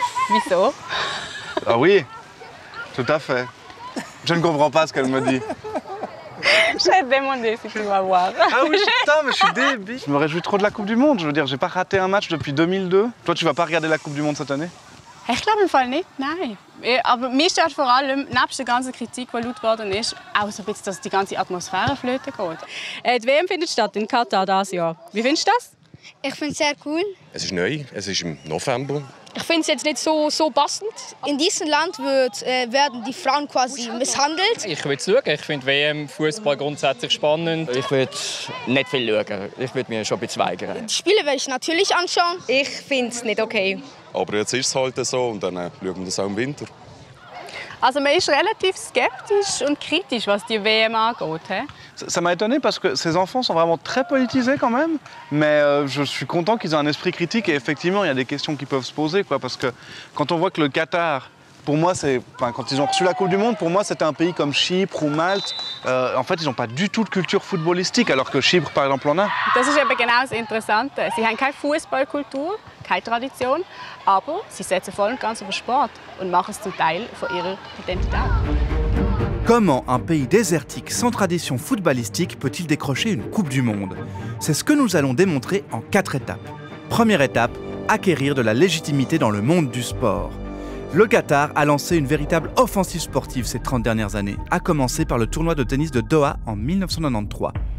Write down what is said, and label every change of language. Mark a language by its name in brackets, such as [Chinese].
[German] Wieso? [French] Ah oui, tout à fait. Je ne comprends pas ce qu'elle me dit. Je vais te demander si tu vas voir. Ah oui, putain, mais je suis débile. Je me réjouis trop de la Coupe du Monde. Je veux dire, j'ai pas raté un match depuis 2002. Toi, tu vas pas regarder la Coupe du Monde cette année? [German] Ich glaube im Fall nicht, nein. Aber mich stört vor allem, neben der ganzen Kritik, die laut geworden ist, auch so ein bisschen, dass die ganze Atmosphäre flöten geht. Die WM findet statt in Katar dieses Jahr. Wie findest du das? Ich finde es sehr cool. Es ist neu, es ist im November. Ich finde es jetzt nicht so passend. In diesem Land werden die Frauen quasi misshandelt. Ich würde es schauen. Ich finde WM Fußball grundsätzlich spannend. Ich würde nicht viel schauen. Ich würde mir schon ein bisschen weigern. Die Spiele werde ich natürlich anschauen. Ich finde es nicht okay. Aber jetzt ist es halt so und dann schauen wir das auch im Winter. Also man ist relativ skeptisch und kritisch, was die WM angeht. [French] Ça m'a étonné parce que ces enfants sont vraiment très politisés quand même, mais je suis content qu'ils aient un esprit critique et effectivement il y a des questions qui peuvent se poser quoi, parce que quand on voit que le Qatar, pour moi c'est, enfin, quand ils ont reçu la Coupe du Monde, pour moi c'était un pays comme Chypre ou Malte, en fait ils n'ont pas du tout de culture footballistique alors que Chypre par exemple en a. [German] Das ist eben genau das Interessante. Sie haben keine Fußballkultur, keine Tradition, aber sie setzen voll und ganz auf Sport und machen es zum Teil von ihrer Identität. [French] Comment un pays désertique sans tradition footballistique peut-il décrocher une Coupe du Monde ? C'est ce que nous allons démontrer en quatre étapes. Première étape, acquérir de la légitimité dans le monde du sport. Le Qatar a lancé une véritable offensive sportive ces 30 dernières années, à commencer par le tournoi de tennis de Doha en 1993.